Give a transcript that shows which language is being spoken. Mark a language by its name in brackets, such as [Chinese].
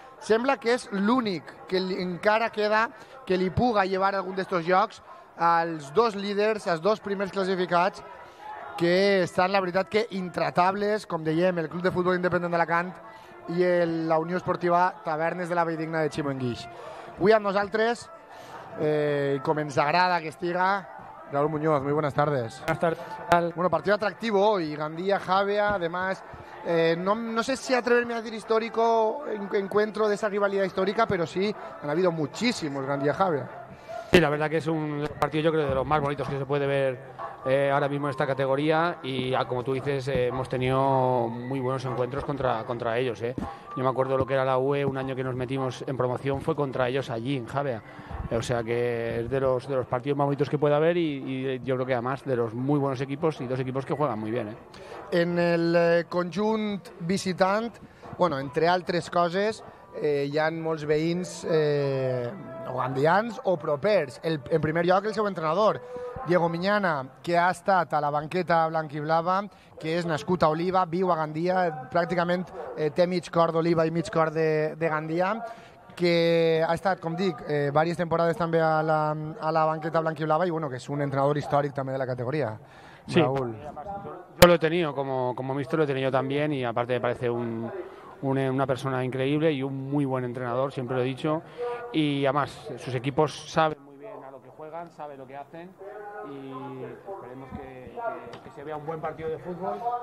[Catalan] Sembla que és l'únic que encara queda que li puga llevar algun d'aquests jocs als dos líders, als dos primers classificats, que estan, la veritat, que intratables, com dèiem, el club de futbol independent d'Alacant i la Unió Esportiva Tavernes de la Valldigna de Ximenguix. Avui amb nosaltres, com ens agrada que estiga, Raúl Muñoz, [Spanish] muy buenas tardes. Buenas tardes. Bueno, partido atractivo hoy, Gandia, Xàbia, además. No sé si atreverme a decir histórico, encuentro de esa rivalidad histórica, pero sí, han habido muchísimos Gandia, Xàbia. Sí, la verdad que es un partido, yo creo, de los más bonitos que se puede ver ahora mismo en esta categoría. Y como tú dices, hemos tenido muy buenos encuentros contra ellos. Yo me acuerdo lo que era la UE, un año que nos metimos en promoción, fue contra ellos allí, en Xàbia. O sea que es de los partidos más bonitos que pueda haber y yo creo que además de los muy buenos equipos y dos equipos que juegan muy bien. [Catalan] En el conjunt visitant, bueno, entre altres coses, hi ha molts veïns gandians o propers. En primer lloc, el seu entrenador, Diego Miñana, que ha estat a la banqueta blanquiblava, que és nascut a Oliva, viu a Gandia, pràcticament té mig cor d'Oliva i mig cor de Gandia, que ha estat, com dic, diverses temporades també a la banqueta blanquiblava i, bueno, que és un entrenador històric també de la categoria. Sí, Raúl. [Spanish] Yo lo he tenido como mister, lo he tenido también, y aparte me parece una persona increíble y un muy buen entrenador, siempre lo he dicho, y además sus equipos saben muy bien a lo que juegan, saben lo que hacen, y esperemos que se vea un buen partido de fútbol.